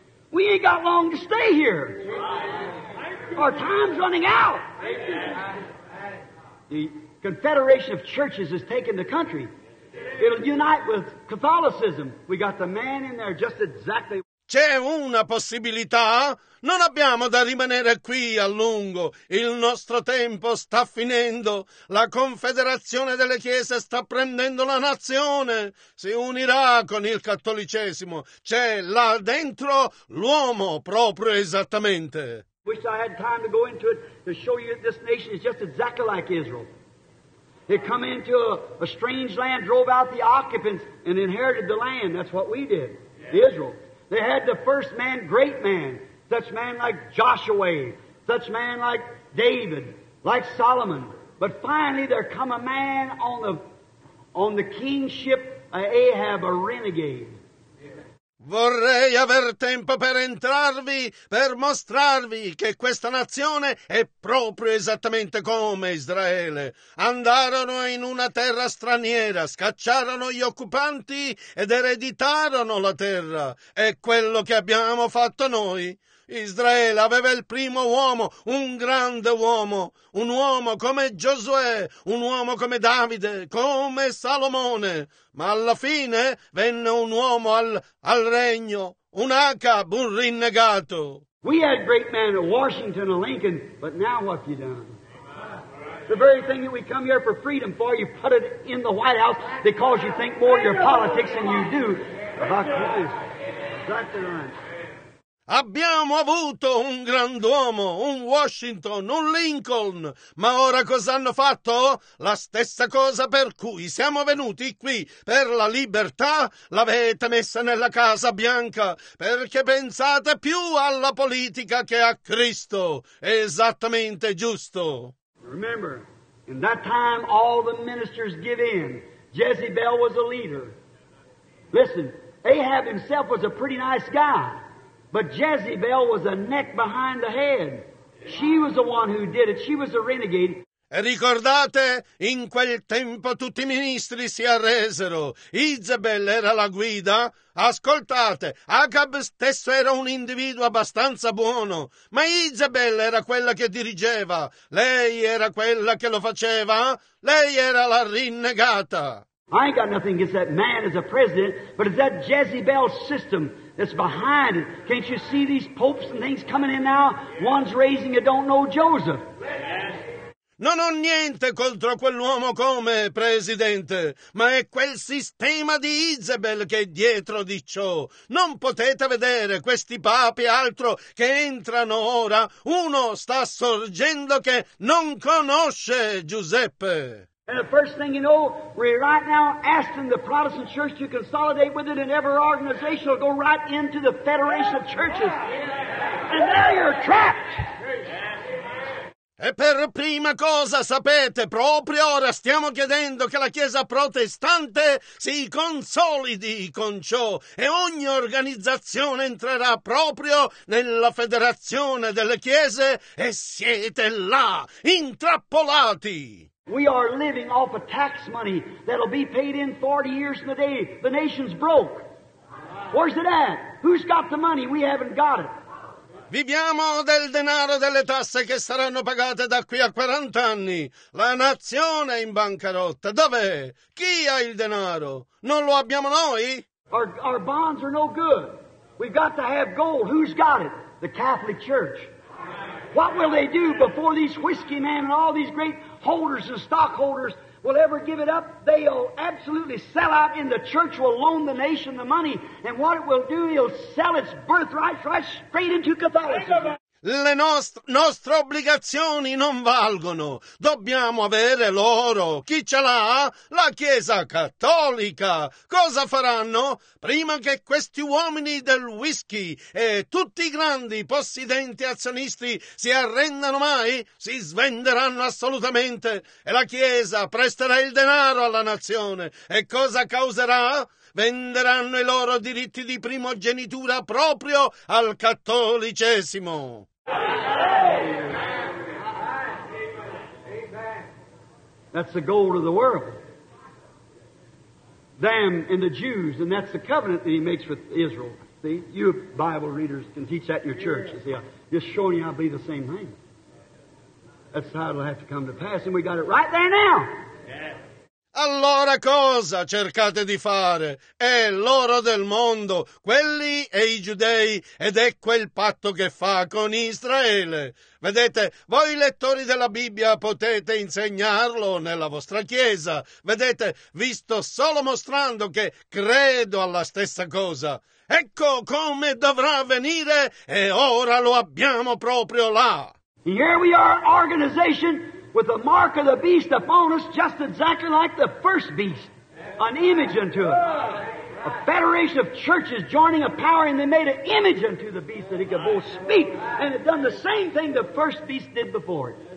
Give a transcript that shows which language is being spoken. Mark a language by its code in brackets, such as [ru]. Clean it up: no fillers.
[en] We ain't got long to stay here. Our time's running out. The Confederation of Churches has taken the country. It'll unite with Catholicism. We got the man in there just exactly. [it] C'è una possibilità? Non abbiamo da rimanere qui a lungo. Il nostro tempo sta finendo. La Confederazione delle Chiese sta prendendo la nazione. Si unirà con il cattolicesimo. C'è là dentro l'uomo proprio esattamente. [en] Wish I had time to go into it to show you that this nation is just exactly like Israel. They come into a strange land, drove out the occupants, and inherited the land. That's what we did, Israel. They had the first man, great man, such man like Joshua, such man like David, like Solomon. But finally there come a man on the kingship of Ahab, a renegade. [it] Vorrei aver tempo per entrarvi, per mostrarvi che questa nazione è proprio esattamente come Israele. Andarono in una terra straniera, scacciarono gli occupanti ed ereditarono la terra. È quello che abbiamo fatto noi. Israele aveva il primo uomo, un grande uomo, un uomo come Giosuè, un uomo come Davide, come Salomone. Ma alla fine venne un uomo al regno, un Acab, un rinnegato. [en] We had great men, Washington and Lincoln, but now what have you done? The very thing that we come here for freedom for, you put it in the White House because you think more of your politics than you do about Christ. That's right. [it] Abbiamo avuto un grand'uomo, un Washington, un Lincoln, ma ora cosa hanno fatto? La stessa cosa per cui siamo venuti qui, per la libertà, l'avete messa nella Casa Bianca, perché pensate più alla politica che a Cristo. Esattamente giusto. [en] Remember, in that time all the ministers give in. Jezebel was a leader. Listen, Ahab himself was a pretty nice guy. But Jezebel was a neck behind the head. She was the one who did it. She was a renegade. [it] E ricordate, in quel tempo tutti i ministri si arresero. Jezebel era la guida. Ascoltate, Acab stesso era un individuo abbastanza buono, ma Jezebel era quella che dirigeva. Lei era quella che lo faceva. Lei era la rinnegata. [en] I ain't got nothing against that man as a president, but it's that Jezebel system that's behind it. Can't you see these popes and things coming in now? One's raising a don't-know Joseph. [it] Non ho niente contro quell'uomo come presidente, ma è quel sistema di Isabel che è dietro di ciò. Non potete vedere questi papi altro che entrano ora. Uno sta sorgendo che non conosce Giuseppe. [en] And the first thing you know, we're right now asking the Protestant church to consolidate with it, and every organization will go right into the Federation of Churches. And now you're trapped! [it] E per prima cosa, sapete, proprio ora stiamo chiedendo che la Chiesa protestante si consolidi con ciò e ogni organizzazione entrerà proprio nella Federazione delle Chiese e siete là, intrappolati! [en] We are living off of tax money that'll be paid in 40 years from today. The nation's broke. Where's it at? Who's got the money? We haven't got it. [it] Viviamo del denaro delle tasse che saranno pagate da qui a 40 anni. La nazione è in bancarotta. Dov'è? Chi ha il denaro? Non lo abbiamo noi? [en] Our bonds are no good. We've got to have gold. Who's got it? The Catholic Church. What will they do before these whiskey men and all these great holders and stockholders will ever give it up? They'll absolutely sell out, and the church will loan the nation the money, and what it will do, it'll sell its birthright right straight into Catholicism. [it] Le nostre obbligazioni non valgono. Dobbiamo avere l'oro. Chi ce l'ha? La Chiesa Cattolica. Cosa faranno? Prima che questi uomini del whisky e tutti i grandi possidenti azionisti si arrendano mai, si svenderanno assolutamente. E la Chiesa presterà il denaro alla nazione. E cosa causerà? Venderanno i loro diritti di primogenitura proprio al cattolicesimo. [en] That's the gold of the world. Them and the Jews, and that's the covenant that he makes with Israel. See, you Bible readers can teach that in your church. See, I'm just showing you how to believe the same thing. That's how it'll have to come to pass, and we got it right there now. [it] Allora cosa cercate di fare? È l'oro del mondo, quelli e i giudei, ed è quel patto che fa con Israele. Vedete, voi lettori della Bibbia potete insegnarlo nella vostra chiesa. Vedete, vi sto solo mostrando che credo alla stessa cosa. Ecco come dovrà venire, e ora lo abbiamo proprio là. [en] Here we are, organization. With the mark of the beast upon us, just exactly like the first beast, an image unto it. A federation of churches joining a power, and they made an image unto the beast that he could both speak, and had done the same thing the first beast did before it.